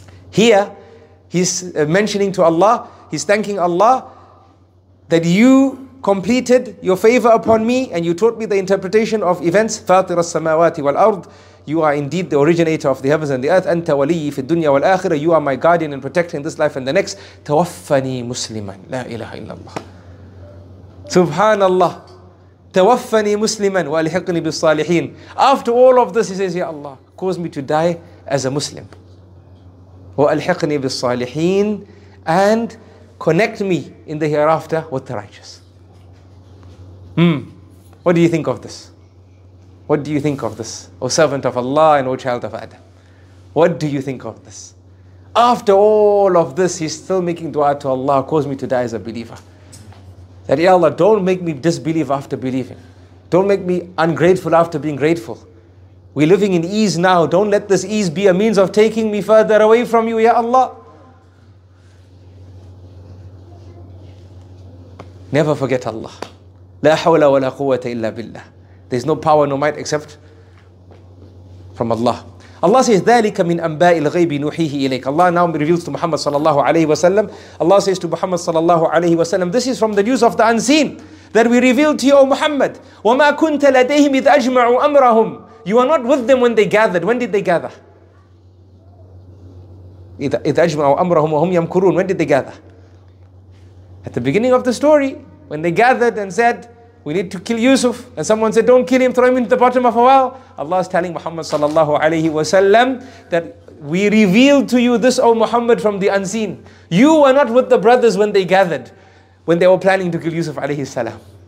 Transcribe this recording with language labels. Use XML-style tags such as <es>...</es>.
<en>Here, he's mentioning to Allah, he's thanking Allah that you completed your favor upon me and you taught me the interpretation of events.</en> <ar>فاطر السماوات والأرض,</ar> <en>you are indeed the originator of the heavens and the earth.</en> <ar>أنت ولي في الدنيا والآخرة,</ar> <en>you are my guardian in protecting this life and the next.</en> <ar>توفني مسلما لا إله إلا الله. سبحان الله. توفني مسلما وألحقني بالصالحين.</ar> <en>After all of this, he says, Ya Allah, cause me to die as a Muslim.</en> <ar>وألحقني بالصالحين</ar> <en>and connect me in the hereafter with the righteous. What do you think of this? What do you think of this? O servant of Allah and O child of Adam. What do you think of this? After all of this, he's still making dua to Allah, cause me to die as a believer. That, Ya Allah, don't make me disbelieve after believing. Don't make me ungrateful after being grateful. We're living in ease now. Don't let this ease be a means of taking me further away from you, Ya Allah. Never forget Allah.</en> <ar>لا حول ولا قوة إلا بالله.</ar> <en>There's no power, no might except from Allah. Allah says,</en> <ar>ذلك من أنباء الغيب نوحيه إليك.</ar> <en>Allah now reveals to Muhammad sallallahu alayhi wa sallam. Allah says to Muhammad sallallahu alayhi wa sallam, this is from the news of the unseen that we revealed to you, O Muhammad.</en> <ar>وما كنت لديهم إذ أجمعوا أمرهم.</ar> <en>You are not with them when they gathered. When did they gather?</en> <ar>إذ أجمعوا أمرهم وهم يمكرون.</ar> <en>When did they gather? At the beginning of the story, when they gathered and said, we need to kill Yusuf, and someone said, don't kill him, throw him into the bottom of a well. Allah is telling Muhammad sallallahu alayhi wa sallam that we revealed to you this, O Muhammad, from the unseen. You were not with the brothers when they gathered, when they were planning to kill Yusuf alayhi salam.</en>